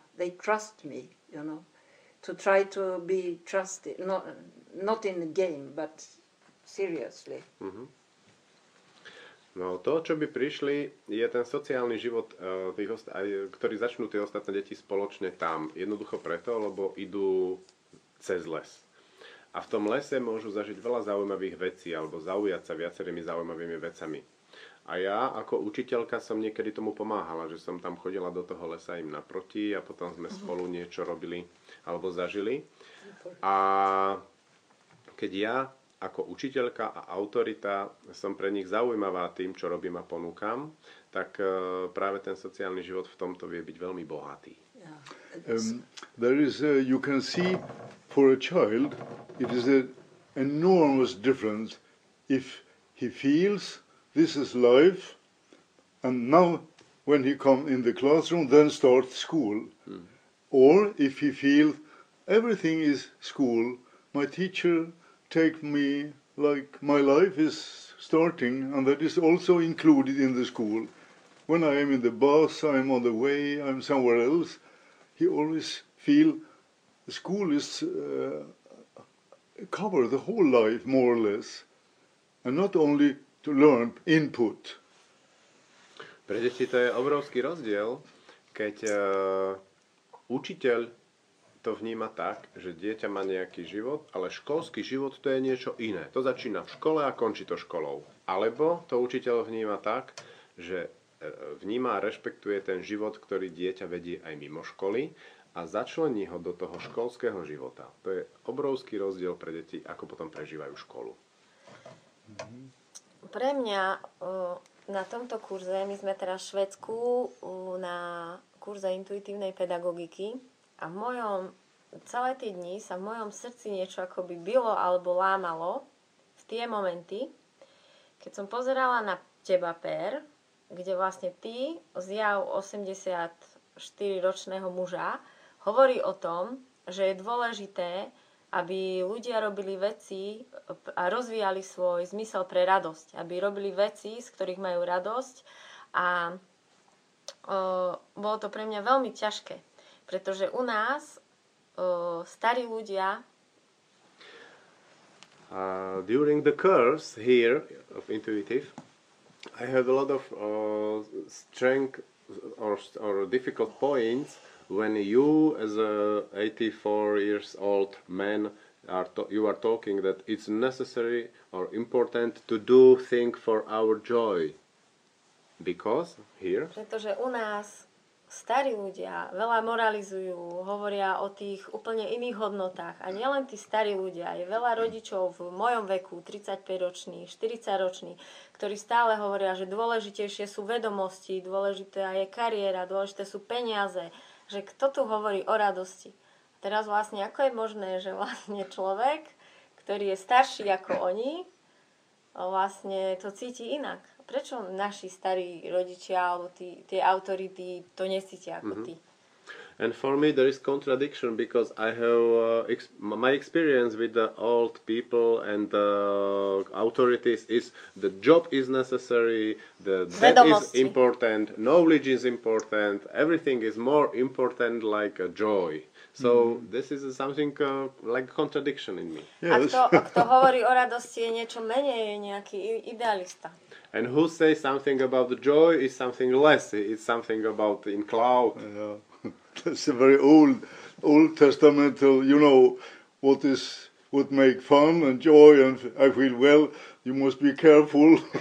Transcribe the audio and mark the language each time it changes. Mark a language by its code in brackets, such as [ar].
[en] They trust me, you know, to try to be trusted, not in the game, but seriously. Mm-hmm. [sk] No to, čo by prišli, je ten sociálny život, ktorý začnú tie ostatné deti spoločne tam. Jednoducho preto, lebo idú cez les. A v tom lese môžu zažiť veľa zaujímavých vecí alebo zaujať sa viacerými zaujímavými vecami. A ja ako učiteľka som niekedy tomu pomáhala, že som tam chodila do toho lesa im naproti a potom sme spolu niečo robili alebo zažili. A keď ja ako učiteľka a autorita som pre nich zaujímavá tým, čo robím a ponúkam, tak práve ten sociálny život v tomto vie byť veľmi bohatý. [en] There is you can see for a child it is a enormous difference if he feels this is life, and now when he comes in the classroom, then starts school. Mm. Or if he feels everything is school, my teacher take me like my life is starting, and that is also included in the school. When I am in the bus, I am on the way, I am somewhere else, he always feel the school is cover the whole life, more or less, and not only to learn input. [sk] Pre deti to je obrovský rozdiel, keď učiteľ to vníma tak, že dieťa má nejaký život, ale školský život to je niečo iné. To začína v škole a končí to školou. Alebo to učiteľ vníma tak, že vníma a rešpektuje ten život, ktorý dieťa vedie aj mimo školy a začlení ho do toho školského života. To je obrovský rozdiel pre deti, ako potom prežívajú školu. Pre mňa na tomto kurze, my sme teraz v Švédsku na kurze intuitívnej pedagogiky a v mojom, celé tie dni sa v mojom srdci niečo akoby bilo alebo lámalo v tie momenty, keď som pozerala na teba, Per, kde vlastne ty, zjav 84-ročného muža, hovorí o tom, že je dôležité, aby ľudia robili veci a rozvíjali svoj zmysel pre radosť. Aby robili veci, z ktorých majú radosť. A bolo to pre mňa veľmi ťažké, pretože u nás starí ľudia... [en] During the course here of Intuitive, I have a lot of strength or difficult points when you as a 84 years old man are talking that it's necessary or important to do things for our joy. Because here... [sk] Pretože u nás starí ľudia veľa moralizujú, hovoria o tých úplne iných hodnotách. A nielen tí starí ľudia, je veľa rodičov v mojom veku, 35-ročný, 40-ročný, ktorí stále hovoria, že dôležitejšie sú vedomosti, dôležitá je kariéra, dôležité sú peniaze. Že kto tu hovorí o radosti? Teraz vlastne, ako je možné, že vlastne človek, ktorý je starší ako oni, vlastne to cíti inak? Prečo naši starí rodičia alebo tie autority to necítia ako mm-hmm. ty? [en] And for me there is contradiction because I have my experience with the old people and the authorities is the job is necessary, the debt is important, knowledge is important, everything is more important like a joy. So this is something like contradiction in me. Yes. [sk] A kto hovorí o radosti je niečo menej, je nejaký idealista. [en] And who says something about the joy is something less, it's something about in cloud. Yeah. That's a very old testamental, you know, what is would make fun and joy and I feel well, you must be careful.